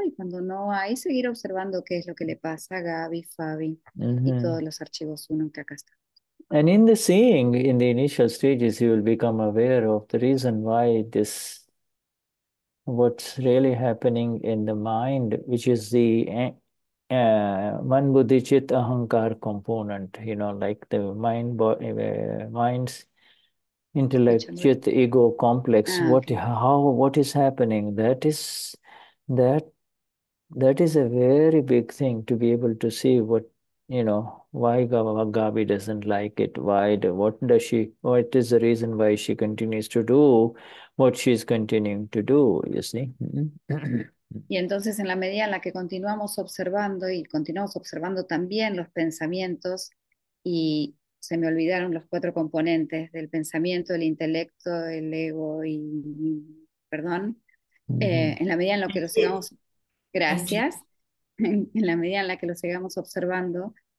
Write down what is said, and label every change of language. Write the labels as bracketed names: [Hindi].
[Spanish] Y cuando no hay, seguir observando qué es lo que le pasa a Gabi, Fabi, y todos los archivos uno que acá está. [English] And in the seeing, in the initial stages, you will become aware of the reason why this, what's really happening in the mind, which is the man-buddhi-chit-ahankar component, you know, like the mind, mind's intellect-chit-ego complex. What is happening? That is a very big thing to be able to see what, you know, why Gabi doesn't like it, what is the reason why she continues to do what she's continuing to do, you see. [Spanish] Y entonces en la medida en la que continuamos observando y continuamos observando también los pensamientos y se me olvidaron los cuatro componentes del pensamiento, el intelecto, el ego y perdón, en la medida en la que lo sigamos, gracias, en la medida en la que lo sigamos observando,